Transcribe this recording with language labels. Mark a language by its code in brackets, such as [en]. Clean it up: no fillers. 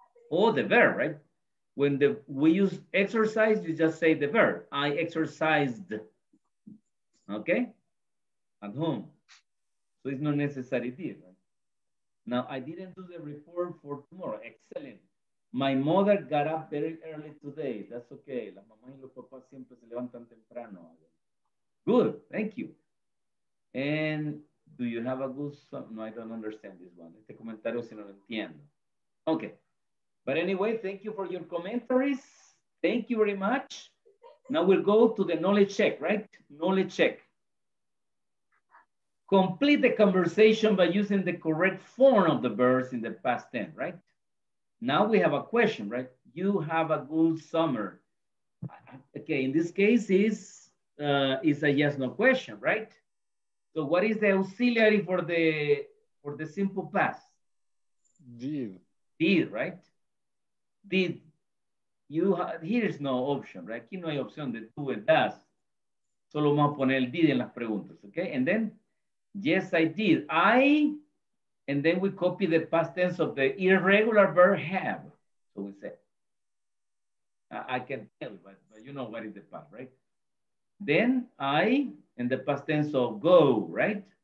[en] Or the verb, right? When we use exercise, you just say the verb. I exercised, okay? At home. So it's not necessary here, right? Now, I didn't do the report for tomorrow. Excellent. My mother got up very early today. That's okay. [es] Las mamás y los papás siempre se levantan temprano. [en] Good, thank you. And do you have a good song? No, I don't understand this one. [es] Este comentario si no lo entiendo. [en] Okay. But anyway, thank you for your commentaries. Thank you very much. Now we'll go to the knowledge check, right? Knowledge check. Complete the conversation by using the correct form of the verbs in the past tense, right? Now we have a question, right? You have a good summer. Okay, in this case is a yes, no question, right? So what is the auxiliary for the simple past? Did. Did, right? Did. You here is no option, right? [es] Aquí no hay opción de tuve, das. Solo vamos a poner el did en las preguntas, okay? [en] And then, yes, I did. I, and then we copy the past tense of the irregular verb have. So we say, I can tell, but you know what is the past, right? Then I, in the past tense of go, right?